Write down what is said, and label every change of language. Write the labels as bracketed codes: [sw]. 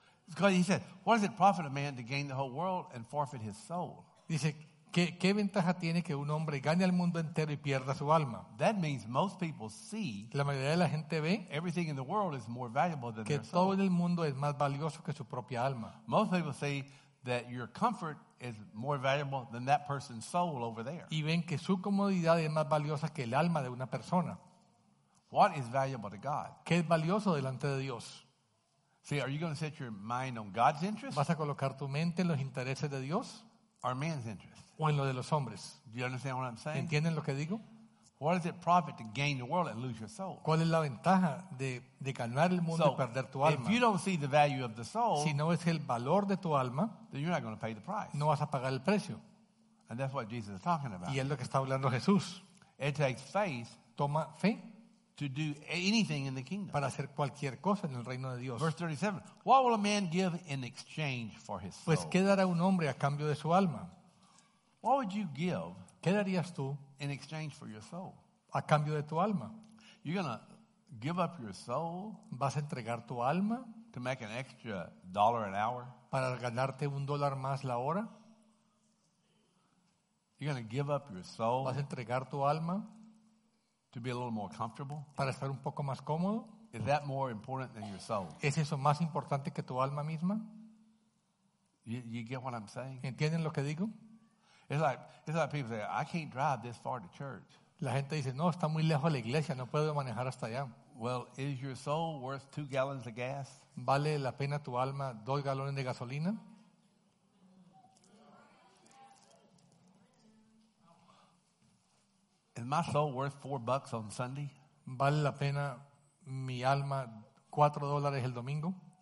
[en] Because he said, "What does it profit a man to gain the whole world and forfeit his soul?" [es] Dice, ¿qué ventaja tiene que un hombre gane el mundo entero y pierda su alma? [en] That means most people see. [es] La mayoría de la gente ve. [en] Everything in the world is more valuable than their soul. [es] Que todo en el mundo es más valioso que su propia alma. [en] Most people see that your comfort is more valuable than that person's soul over there. [es] Y ven que su comodidad es más valiosa que el alma de una persona. [en] What is valuable to God? [es] ¿Qué es valioso delante de Dios? [en] See, are you going to set your mind on God's interest? [es] ¿Vas a colocar tu mente en los intereses de Dios? [en] Or man's interest? [es] ¿O en lo de los hombres? [en] Do you understand what I'm saying? [es] ¿Entienden lo que digo? [en] What does it profit to gain the world and lose your soul? [es] ¿Cuál es la ventaja de ganar el mundo y perder tu alma? [en] If you don't see the value of the soul, [es] si no ves el valor de tu alma, [en] then you're not going to pay the price. [es] No vas a pagar el precio. [en] And that's what Jesus is talking about. [es] Y es lo que está hablando Jesús. [en] It takes faith, [es] toma fe, [en] to do anything in the kingdom, [es] para hacer cualquier cosa en el reino de Dios. [en] Verse 37. What will a man give in exchange for his soul? [es] Pues qué dará un hombre a cambio de su alma? [en] What would you give? [es] ¿Qué darías tú? [en] In exchange for your soul. [es] A cambio de tu alma. [en] You're going to give up your soul. [es] Vas a entregar tu alma. [en] To make an extra dollar an hour. [es] Para ganarte un dólar más la hora. [en] You're going to give up your soul. [es] Vas a entregar tu alma. [en] To be a little more comfortable. [es] Para estar un poco más cómodo. [en] Is that more important than your soul? [es] ¿Es eso más importante que tu alma misma? [en] You get what I'm saying? [es] ¿Entienden lo que digo? [en] It's like people say, I can't drive this far to church. [es] La gente dice, no, está muy lejos la iglesia, no puedo manejar hasta allá. [en] Well, is your soul worth 2 gallons of gas? [es] ¿Vale la pena tu alma 2 galones de gasolina? [en] Is my soul worth $4 on Sunday? [es] ¿Vale la pena mi alma $4 el domingo?